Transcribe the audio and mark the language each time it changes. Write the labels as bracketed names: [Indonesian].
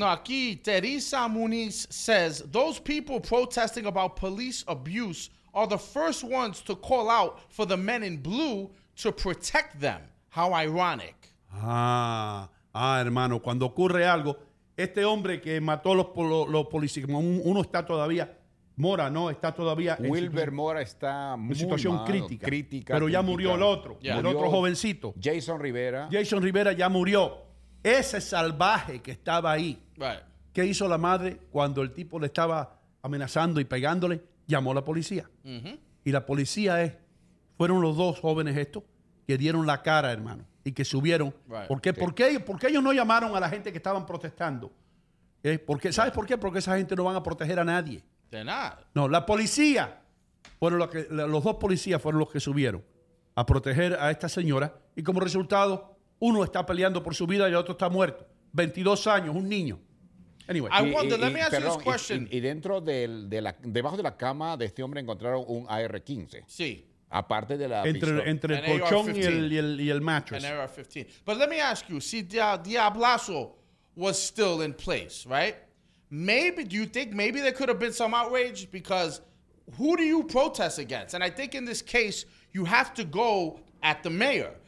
[English] No, aquí Teresa Muniz says, those people protesting about police abuse are the first ones to call out for the men in blue to protect them. How ironic. [Spanish] Ah, hermano, cuando ocurre algo, este hombre que mató a los policías, uno está todavía, Mora, ¿no? Está todavía... Wilber Mora está en situación malo, crítica. Pero ya murió el otro, yeah. El otro jovencito. Jason Rivera. Jason Rivera ya murió. Ese salvaje que estaba ahí, ¿qué hizo la madre cuando el tipo le estaba amenazando y pegándole? Llamó a la policía. Y la policía fueron los dos jóvenes estos que dieron la cara, hermano, y que subieron. ¿Por qué? Sí. ¿Por qué ellos no llamaron a la gente que estaban protestando? ¿Sabes por qué? Porque esa gente no van a proteger a nadie. De nada. No, la policía. Bueno, los dos policías fueron los que subieron a proteger a esta señora. Y como resultado, uno está peleando por su vida y el otro está muerto. 22 años, un niño. [English] Anyway. Let me ask you this question. [Spanish] Y dentro debajo de la cama de este hombre encontraron un AR-15. Sí. Aparte de la entre el colchón y el mattress. [English] An AR-15. But let me ask you, si Diablazo was still in place, right? Do you think there could have been some outrage? Because who do you protest against? And I think in this case, you have to go at the mayor.